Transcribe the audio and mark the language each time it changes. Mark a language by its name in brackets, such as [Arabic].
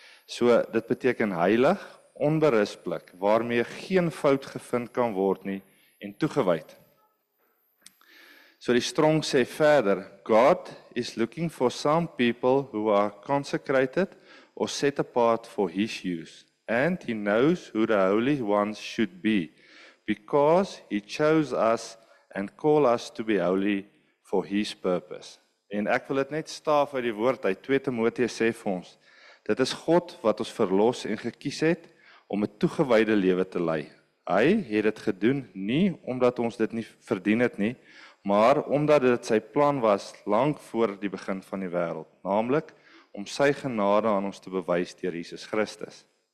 [Afrikaans] So dit beteken heilig, onberispelik, waarmee geen fout gevind kan word nie, en toegewyd. So die Strong sê verder, [English] God is looking for some people who are consecrated or set apart for his use, and he knows who the holy ones should be, because he chose us and called us to be holy for his purpose. [Afrikaans] En ek wil dit net staaf uit die woord, uit 2 Timoteus sê vir ons, dit is God wat ons verlos en gekies het, om 'n toegewyde lewe te lei. Hy het dit gedoen nie omdat ons dit nie verdien het nie, maar omdat dit sy plan was lank voor die begin van die wêreld, naamlik om sy genade aan ons te bewys deur Jesus Christus.